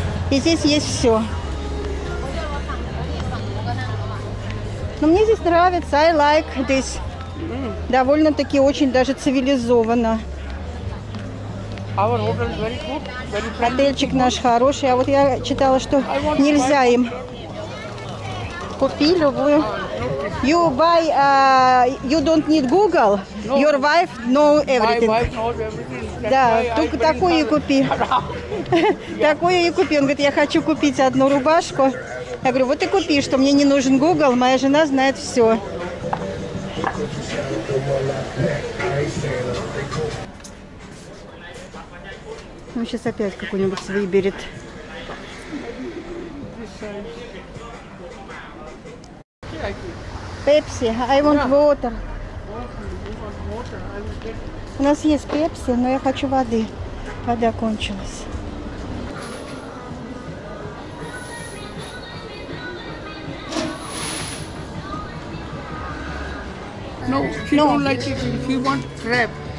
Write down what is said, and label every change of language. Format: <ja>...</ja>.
<ru>И здесь есть все. Но мне здесь нравится,</ru> <en>I like this.</en> <ru>Довольно-таки очень даже цивилизованно.</ru> <en>Our hotel is very good, very friendly.</en> <ru>Отельчик наш хороший, а вот я читала, что нельзя им. Купи любую.</ru> <en>You buy, you don't need Google, no. Your wife know everything. My wife knows everything.</en> <ru>Да, только такую и купи. Такую и купи. Он говорит, я хочу купить одну рубашку. Я говорю, вот и купи, что мне не нужен Google, моя жена знает все. Ну, сейчас опять какой-нибудь выберет.</ru> <en>Пепси, I want water.</en> <ru>У нас есть пепси, но я хочу воды. Вода кончилась.</ru> <en>No, she no. Don't like it. She want crab.</en>